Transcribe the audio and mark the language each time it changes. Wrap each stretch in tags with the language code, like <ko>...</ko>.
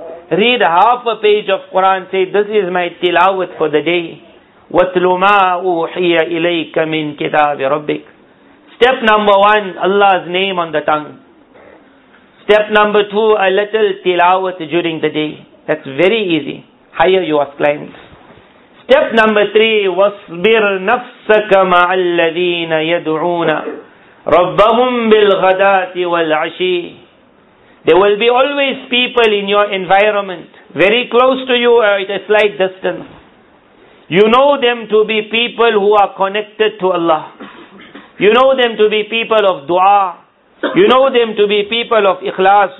<en>Read half a page of Quran, say, this is my tilawat for the day.</en> <ar>وَاتْلُ مَا أُوحِيَ إِلَيْكَ مِنْ كِتَابِ رَبِّكَ.</ar> <en>Step number 1, Allah's name on the tongue. Step number 2, a little tilawat during the day. That's very easy. Higher you are climbed. Step number 3,</en> <ar>وَاصْبِرْ نَفْسَكَ مَعَ الَّذِينَ يَدْعُونَ رَبَّهُمْ بِالْغَدَاتِ وَالْعَشِيِّ.</ar> <en>There will be always people in your environment, very close to you or at a slight distance. You know them to be people who are connected to Allah. You know them to be people of dua. You know them to be people of ikhlas.</en>